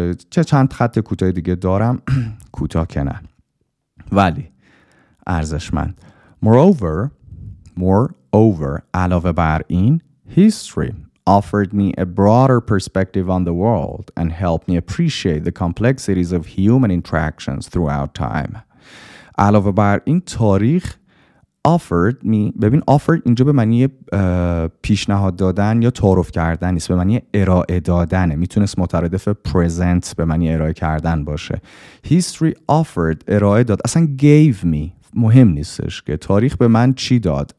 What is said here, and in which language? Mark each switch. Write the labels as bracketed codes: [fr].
[fa] چه چند خط کوتاه دیگه دارم، کوتاه که نه ولی ارزشمند. [en] Moreover, [fa] علاوه بر این، [en] history offered me a broader perspective on the world and helped me appreciate the complexities of human interactions throughout time. [fa] علاوه بر این تاریخ [en] offered me، [fa] ببین offered اینجا به معنی پیشنهاد دادن یا تعارف کردن نیست، به معنی ارائه دادنه. میتونست مترادف present به معنی ارائه کردن باشه. history offered، ارائه داد. اصلا [en] gave me [fa] مهم نیستش که، تاریخ به من چی داد.